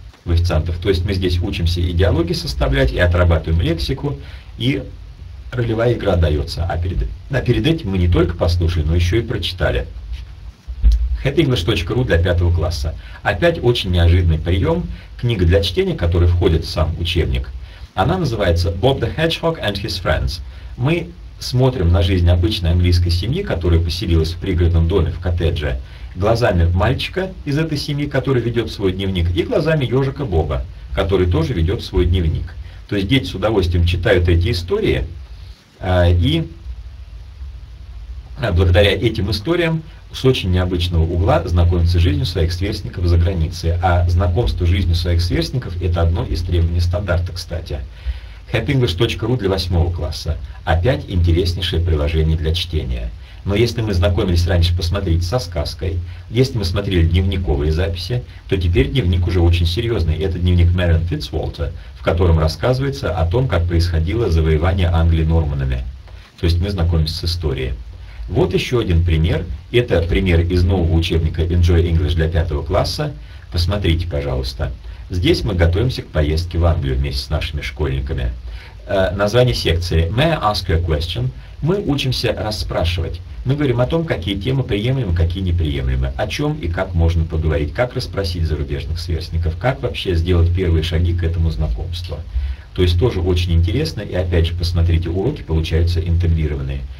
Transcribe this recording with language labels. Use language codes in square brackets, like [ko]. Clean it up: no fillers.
[ru] То есть мы здесь учимся и диалоги составлять, и отрабатываем лексику, и ролевая игра дается. А перед этим мы не только послушали, но еще и прочитали. happyenglish.ru для 5 класса. Опять очень неожиданный прием. Книга для чтения, которая входит в сам учебник. Она называется «Bob the Hedgehog and his Friends». Мы смотрим на жизнь обычной английской семьи, которая поселилась в пригородном доме, в коттедже, глазами мальчика из этой семьи, который ведет свой дневник, и глазами ежика Боба, который тоже ведет свой дневник. То есть дети с удовольствием читают эти истории, и благодаря этим историям с очень необычного угла знакомятся с жизнью своих сверстников за границей. А знакомство с жизнью своих сверстников – это одно из требований стандарта, кстати. happyenglish.ru для 8 класса. Опять интереснейшее приложение для чтения. Но если мы знакомились раньше, посмотрите, со сказкой, если мы смотрели дневниковые записи, то теперь дневник уже очень серьезный. Это дневник Мэрион Фитцволтера, в котором рассказывается о том, как происходило завоевание Англии норманами. То есть мы знакомимся с историей. Вот еще один пример. Это пример из нового учебника Enjoy English для 5 класса. Посмотрите, пожалуйста. Здесь мы готовимся к поездке в Англию вместе с нашими школьниками. Название секции [en] «May I ask you a question?» [ru] Мы учимся расспрашивать. Мы говорим о том, какие темы приемлемы, какие неприемлемы, о чем и как можно поговорить, как расспросить зарубежных сверстников, как вообще сделать первые шаги к этому знакомству. То есть тоже очень интересно, и опять же, посмотрите, уроки получаются интегрированные.